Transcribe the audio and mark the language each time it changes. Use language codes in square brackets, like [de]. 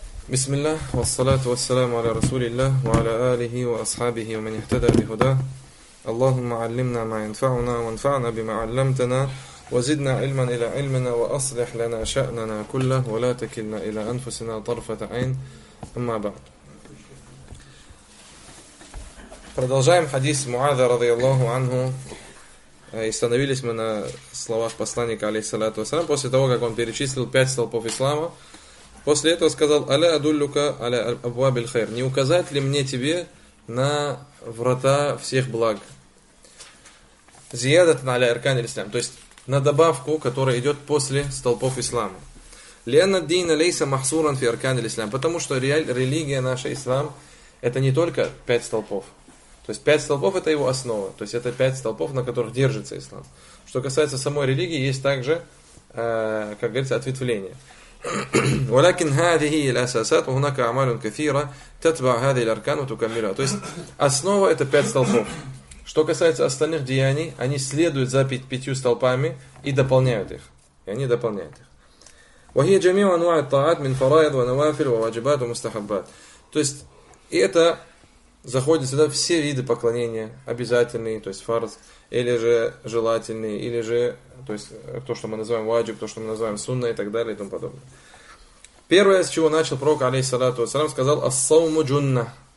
[ar] بسم الله والصلاة والسلام على رسول الله وعلى آله وأصحابه ومن اهتدى بهداه اللهم علمنا ما ينفعنا وانفعنا بما علمتنا وزدنا علما إلى علمنا وأصلح لنا شأننا كله ولا تكلنا إلى أنفسنا طرفة عين أما بعد. [ru] Продолжаем хадис Муаза [ar] رضي الله عنه. [ru] И остановились мы на словах посланника алейхиссалату вассалям после того, как он перечислил пять столпов ислама. После этого сказал: [ar] «Аля адуллюка аля абвабиль хайр». [ru] Не указать ли мне тебе на врата всех благ? [ar] Зиядатан аля арканиль ислам. [ru] То есть на добавку, которая идет после столпов ислама. [ar] Лианна дина лейса махсуран фи арканиль ислам. [ru] Потому что религия наша, ислам, это не только пять столпов. То есть пять столпов — это его основа. То есть это пять столпов, на которых держится ислам. Что касается самой религии, есть также, как говорится, ответвление. [ar] ولكن هذه الأساسات وهناك أعمال كثيرة تتبع هذه الأركان وتكملها. [ru] То есть основа — это пять столпов. Что касается остальных деяний, они следуют за пятью столпами и дополняют их. И они дополняют их. [ar] وهي جميع أنواع الطاعات من فرائض ونوافل وواجبات ومستحبات. [ru] То есть это заходит сюда все виды поклонения, обязательные, то есть фарз, или же желательные, или же то есть то, что мы называем ваджиб, то, что мы называем сунна и так далее и тому подобное. Первое, с чего начал пророк, алейхиссалату вассалям, сказал: [ar] «Ас-сауму джунна».